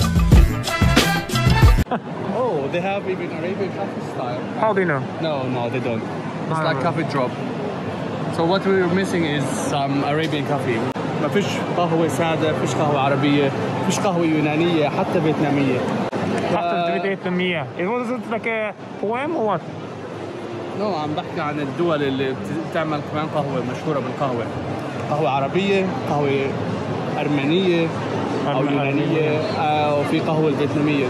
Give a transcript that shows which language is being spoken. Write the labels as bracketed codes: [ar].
[en] Oh, they have even Arabian coffee style. How do you know? No, they don't. It's like coffee drop. So what we're missing is some Arabian coffee. [ar] ما فيش قهوة سادة، فيش قهوة عربية، فيش قهوة يونانية، حتى فيتنامية. حتى فيتنامية. [en] Was it like a poem or what? No, I'm talking about the countries that make coffee, famous for coffee. Arabian coffee, coffee Armenian coffee, or Yunnanian, or coffee Vietnamese.